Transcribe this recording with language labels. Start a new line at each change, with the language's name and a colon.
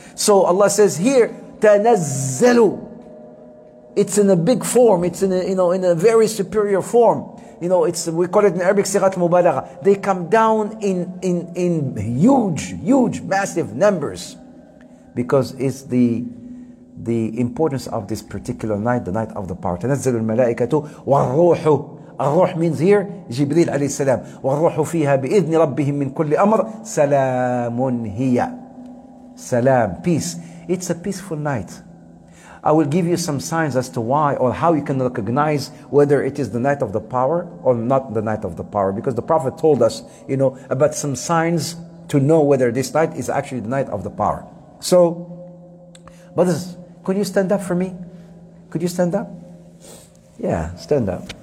English: So Allah says here, تَنَزَّلُ, it's in a big form, it's in a very superior form. We call it in Arabic sirat mubalagha. They come down in huge, massive numbers, because it's the importance of this particular night, the night of the power.
Arabic: تنزل الملائكة والروح. الروح
English: means here
Arabic: جبريل عليه السلام. والروح فيها بإذن ربهم من كل أمر سلام هي.
English: Salam, peace. It's a peaceful night. I will give you some signs as to why or how you can recognize whether it is the night of the power or not the night of the power. Because the Prophet told us, about some signs to know whether this night is actually the night of the power. So, brothers, could you stand up for me? Could you stand up? Yeah, stand up.